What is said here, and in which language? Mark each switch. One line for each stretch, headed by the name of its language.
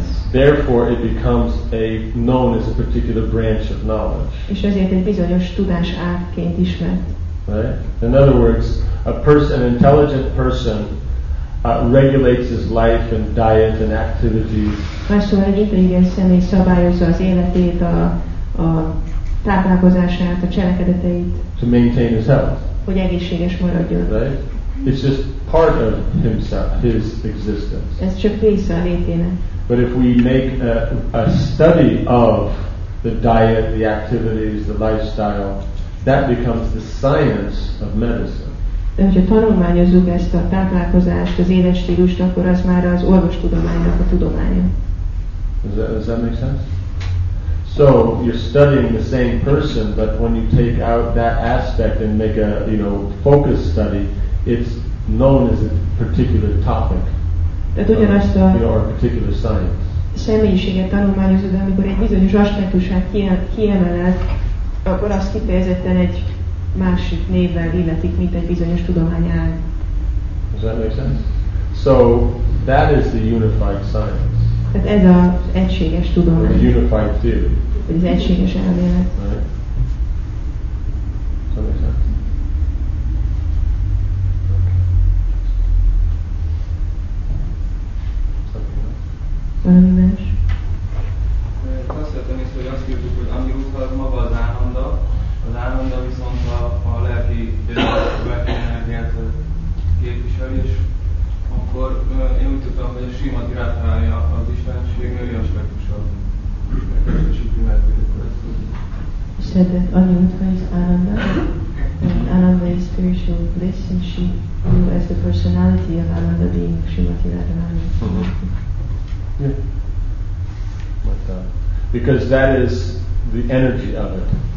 English: Therefore, it becomes a known as a particular branch of knowledge.
Hungarian: És ezért egy bizonyos tudás ágként ismert.
English: Right? In other words, an intelligent person regulates his life and diet and activities.
Hungarian: Másszor egy intelligens személy szabályozza az életét, a táplálkozását, a cselekedeteit.
English: To maintain his health.
Hungarian: Hogy egészséges maradjon.
English: Right? It's just part of himself, his existence.
Hungarian: Ez csak része a létének.
English: But if we make a study of the diet, the activities, the lifestyle, That becomes the science of medicine.
Hungarian: De hogyha tanulmányozzuk ezt a táplálkozást, az életstílust, akkor az már az orvostudománynak a tudománya.
English: Does that make sense? So you're studying the same person, but when you take out that aspect and make a, you know, focus study, it's known as a particular topic.
Hungarian: Tehát ugyanazt a,
English: you know, or a particular science.
Hungarian: Személyiséget tanulmányozod, amikor egy bizonyos aspektusát kiemeled, akkor azt kifejezetten egy másik névvel illetik, mint egy bizonyos tudományág.
English: Does that make sense? So that is the unified science.
Hungarian: Tehát ez az egységes tudomány.
English: The unified theory.
Hungarian: Vagy az egységes elmélet.
English: Right. Does that make sense?
Hungarian: Valami más? Azt vettem észre, hogy azt írtuk, hogy ami út az maga az állanda viszont a lelki energiát képviseli, és akkor én úgy tudtam, hogy a sima tirátválja az istenség női aspektusabb.
English: You said that ani utva is ananda, and ananda is spiritual bliss, and she knew as the personality of ananda being Srimati Radharani. Yeah. But, because that is the energy of it.